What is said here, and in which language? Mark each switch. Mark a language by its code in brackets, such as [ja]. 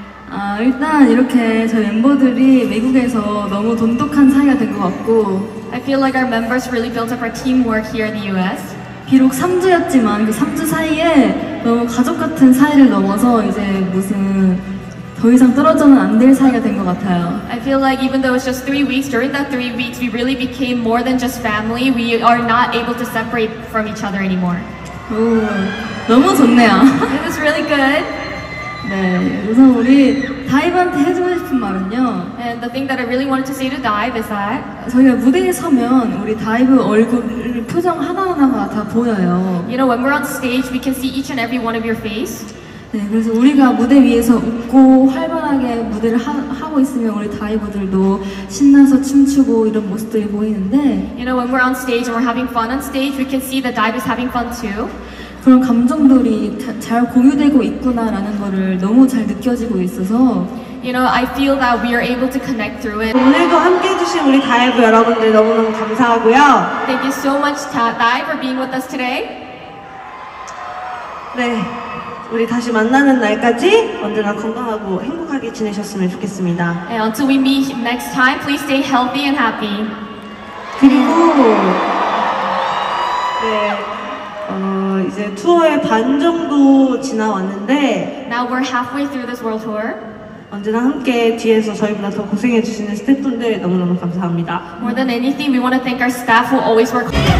[ko] 아 일단 이렇게 저희 멤버들이 미국에서 너무 돈독한 사이가 된 것 같고. [en] I feel like our members really built up our teamwork here in the U.S. [ko] 비록 3주였지만 그 3주 사이에 너무 가족 같은 사이를 넘어서 이제 무슨 더 이상 떨어져는 안 될 사이가 된 것 같아요. [en] I feel like even though it's just 3 weeks, during that 3 weeks, we really became more than just family. We are not able to separate from each other anymore. [ko] 오. 너무 좋네요. [en] It was really good. [ko] 네, 우선 우리 다이브한테 해주고 싶은 말은요. [en] And the thing that I really wanted to say to Dive is that [ko] 저희가 무대에 서면 우리 다이브 얼굴 표정 하나하나가 다 보여요. [en] You know, when we're on stage, we can see each and every one of your face. [ko] 네, 그래서 우리가 무대 위에서 웃고 활발하게 무대를 하고 있으면 우리 다이버들도 신나서 춤추고 이런 모습들이 보이는데 [en] You know, when we're on stage and we're having fun on stage, we can see the dive is having fun too. [ko] 그런 감정들이 잘 공유되고 있구나라는 거를 너무 잘 느껴지고 있어서 [en] You know, I feel that we are able to connect through it. [ko] 오늘도 함께 해주신 우리 다이브 여러분들 너무너무 감사하고요. [en] Thank you so much, Dive, for being with us today. [ko] 네, 우리 다시 만나는 날까지 언제나 건강하고 행복하게 지내셨으면 좋겠습니다. [en] And until we meet next time, please stay healthy and happy. [ko] 그리고 네. 이제 투어의 반 정도 지나왔는데 [en] Now we're halfway through this world tour. [ko] 언제나 함께 뒤에서 저희보다 더 고생해 주시는 스태프분들 너무너무 감사합니다. [en] More than anything, we want to thank our staff who always work.